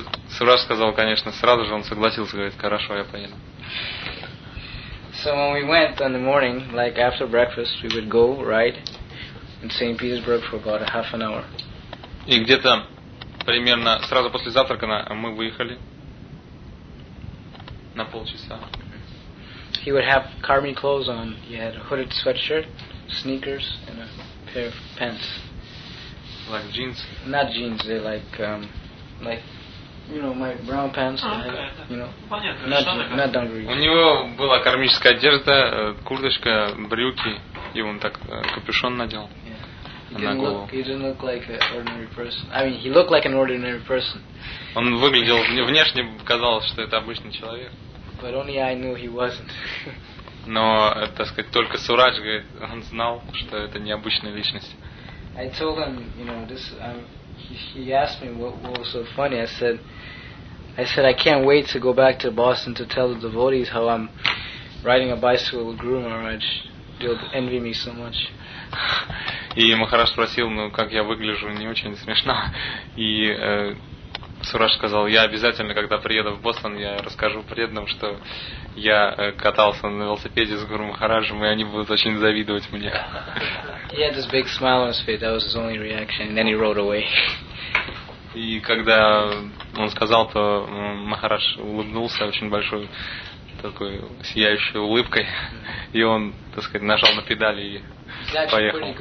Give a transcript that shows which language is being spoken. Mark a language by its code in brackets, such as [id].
[ru] Сураж сказал, конечно, сразу же он согласился, говорит, хорошо, я поеду. [en] So when we went in the morning, like after breakfast, we would go ride in St. Petersburg for about a half an hour. [ru] И где-то примерно сразу после завтрака мы выехали на полчаса. [en] He would have army clothes on. He had a hooded sweatshirt, sneakers, and a pair of pants. Like jeans? Not jeans. They're like my brown pants. Not dungarees. [ru] У него была кармическая одежда, курточка, брюки, и он так капюшон надел. [en] Yeah. He didn't look like an ordinary person. I mean, he looked like an ordinary person. [ru] Он выглядел внешне казалось, что это обычный человек. [en] But only I knew he wasn't. [ru] Но, так сказать, только Сурадж, говорит, он знал, что это необычная личность. [en] I told him, you know, this. He asked me what was so funny. I said, I can't wait to go back to Boston to tell the devotees how I'm riding a bicycle with Guru Maharaj. They'll envy me so much. [ru] И Махарадж спросил, ну как я выгляжу? Не очень смешно. И Сураж сказал, я обязательно, когда приеду в Бостон, я расскажу преданным, что я катался на велосипеде с Гуру Махараджем, и они будут очень завидовать мне. [en] He had this big smile on his face. That was his only reaction. And then he rode away. [ru] И когда он сказал, то Махарадж улыбнулся очень большой такой сияющей улыбкой, и он, так сказать, нажал на педали и поехал.